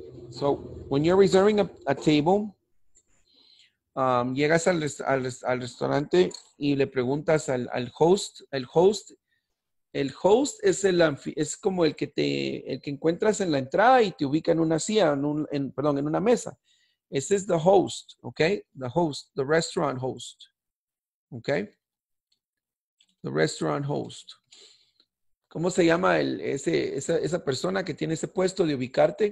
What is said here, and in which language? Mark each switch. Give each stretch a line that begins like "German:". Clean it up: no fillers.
English: So when you're reserving a table,
Spanish: llegas al restaurante y le preguntas al host es como el que encuentras en la entrada y te ubica en una silla, en una mesa. Ese es
English: the host, okay? The host, the restaurant host, okay? The restaurant host.
Spanish: ¿Cómo se llama esa persona que tiene ese puesto de ubicarte?